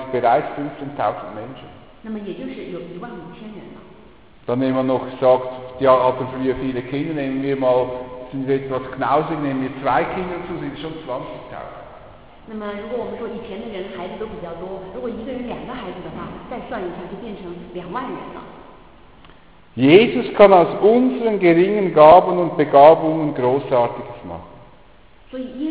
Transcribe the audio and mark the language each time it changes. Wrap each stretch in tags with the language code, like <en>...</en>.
<zh>假如说每一个男人有一个妻子和一个孩子的话，那么也就是有15000人了。</zh> <de>Dann waren es bereits 15.000 Menschen. Dann nehmen wir noch gesagt, ja, hatten früher viele Kinder, nehmen wir mal, sind wir etwas knausig, nehmen wir zwei Kinder zu, sind schon 20.000.</de> <zh>那么如果我们说以前的人孩子都比较多，如果一个人两个孩子的话，再算一下就变成20000人了。</zh> <de>Jesus kann aus unseren geringen Gaben und Begabungen Großartiges machen.</de>